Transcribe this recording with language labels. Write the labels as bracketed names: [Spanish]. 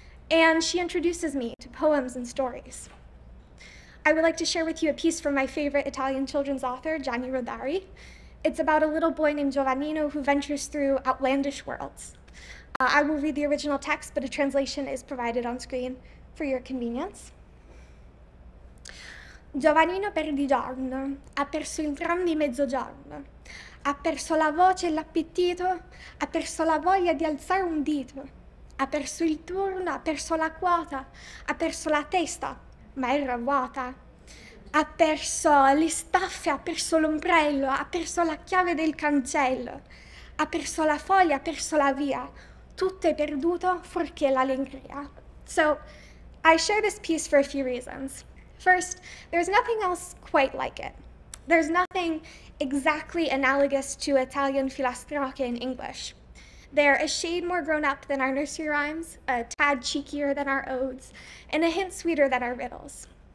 [English] And she introduces me to poems and stories. I would like to share with you a piece from my favorite Italian children's author, Gianni Rodari. It's about a little boy named Giovannino who ventures through outlandish worlds. I will read the original text, but a translation is provided on screen for your convenience. [Italian] Giovannino perdi giorno, ha perso entrambi mezzogiorno, ha perso la voce e l'appetito, ha perso la voglia di alzare un dito. Ha perso il turno, ha perso la quota, ha perso la testa, ma era vuota. Ha perso le staffe, ha perso l'ombrello, ha perso la chiave del cancello. Ha perso la foglia, ha perso la via. Tutto è perduto, fuorché l'allegria. [English] So, I share this piece for a few reasons. First, there's nothing else quite like it. There's nothing exactly analogous to Italian filastrocche in English. They're a shade more grown up than our nursery rhymes, a tad cheekier than our odes, and a hint sweeter than our riddles.